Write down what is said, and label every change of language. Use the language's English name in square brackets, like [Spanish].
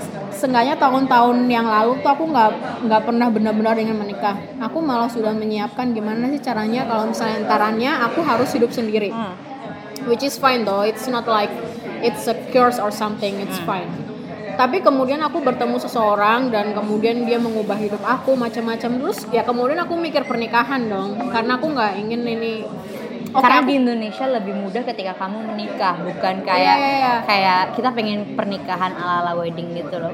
[Indonesian] Seenggaknya tahun-tahun yang lalu tuh aku nggak pernah benar-benar ingin menikah. Aku malah sudah menyiapkan gimana sih caranya kalau misalnya entarannya aku harus hidup sendiri. [English] Which is fine though, it's not like it's a curse or something, it's fine. [Indonesian] Tapi kemudian aku bertemu seseorang dan kemudian dia mengubah hidup aku macam-macam. Terus ya kemudian aku mikir pernikahan dong, karena aku nggak ingin ini. Okay. Karena di Indonesia lebih mudah ketika kamu menikah, bukan kayak kayak kita pengen pernikahan ala wedding gitu loh.